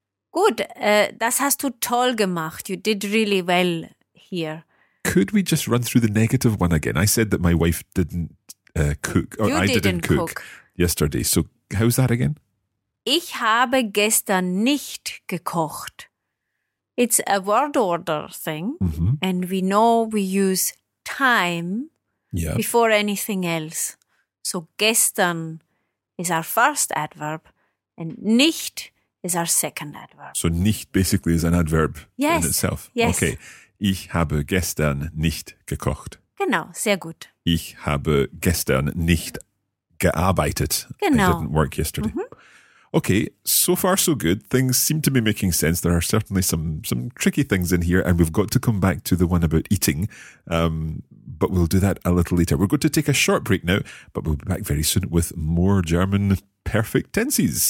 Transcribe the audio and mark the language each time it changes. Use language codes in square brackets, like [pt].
[de] Gut, das hast du toll gemacht. [en] You did really well here. Could we just run through the negative one again? I said that my wife didn't cook. Or you didn't cook. Yesterday. So, how's that again? [de] Ich habe gestern nicht gekocht. [en] It's a word order thing. Mm-hmm. And we know we use time before anything else. So, gestern is our first adverb and nicht is our second adverb. So, nicht basically is an adverb in itself. Yes. Okay. [de] Ich habe gestern nicht gekocht. Genau. Sehr gut. Ich habe gestern nicht gearbeitet. Genau. [en] I didn't work yesterday. Mm-hmm. Okay, so far so good. Things seem to be making sense. There are certainly some tricky things in here, and we've got to come back to the one about eating, but we'll do that a little later. We're going to take a short break now, but we'll be back very soon with more German perfect tenses.